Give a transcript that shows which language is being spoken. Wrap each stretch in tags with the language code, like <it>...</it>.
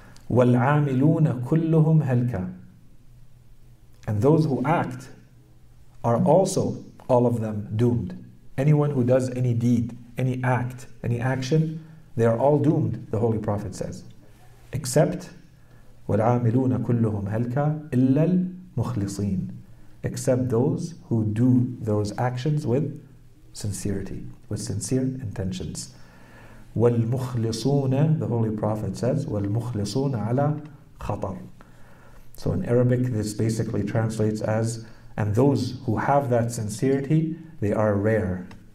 <ar>وَالْعَامِلُونَ كُلُّهُمْ هَلْكَ.</ar> <en>And those who act are also, all of them, doomed. Anyone who does any deed, any act, any action, they are all doomed, the Holy Prophet says. Except,</en> <ar>وَالْعَامِلُونَ كُلُّهُمْ هَلْكَ إِلَّا الْمُخْلِصِينَ.</ar> <en>Except those who do those actions with sincerity, with sincere intentions.</en> <ar>وَالْمُخْلِصُونَ,</ar> <en>the Holy Prophet says,</en> <ar>وَالْمُخْلِصُونَ عَلَى خَطَرٍ.</ar> <en>So in Arabic, this basically translates as, and those who have that sincerity, they are rare.</en>